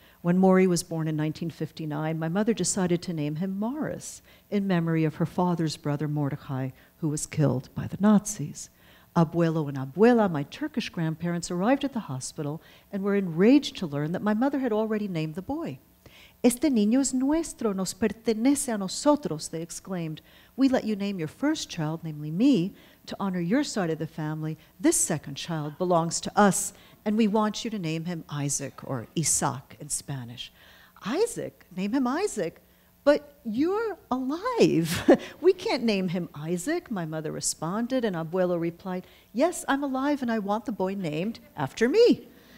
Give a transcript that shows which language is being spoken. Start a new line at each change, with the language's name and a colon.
English: When Maury was born in 1959, my mother decided to name him Morris in memory of her father's brother Mordecai, who was killed by the Nazis. Abuelo and abuela, my Turkish grandparents, arrived at the hospital and were enraged to learn that my mother had already named the boy.
Spanish: Este niño es nuestro, nos pertenece a nosotros,
English: they exclaimed. We let you name your first child, namely me, to honor your side of the family. This second child belongs to us, and we want you to name him Isaac, or Isaac in Spanish. Isaac, name him Isaac, but you're alive. We can't name him Isaac, my mother responded, and Abuelo replied, yes, I'm alive, and I want the boy named after me.